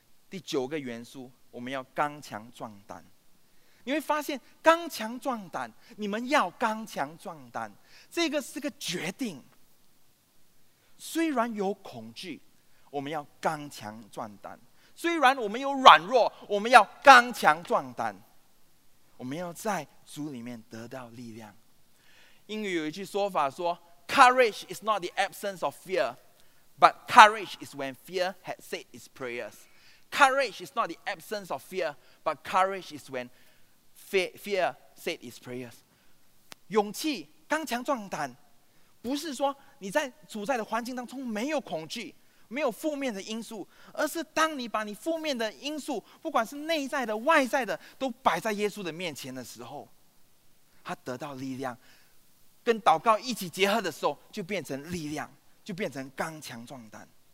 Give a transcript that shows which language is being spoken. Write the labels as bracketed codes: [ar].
[zh] 第九个元素，我们要刚强壮胆。你会发现刚强壮胆，你们要刚强壮胆，这个是个决定。虽然有恐惧，我们要刚强壮胆，虽然我们有软弱，我们要刚强壮胆，我们要在主里面得到力量。英语有一句说法说， [en] Courage is not the absence of fear, but courage is when fear has said its prayers. Courage is not the absence of fear, but courage is when fear said its prayers. [zh] 勇气刚强壮胆，不是说你在主在的环境当中没有恐惧，没有负面的因素，而是当你把你负面的因素，不管是内在的外在的，都摆在耶稣的面前的时候，他得到力量，跟祷告一起结合的时候，就变成力量，就变成刚强壮胆。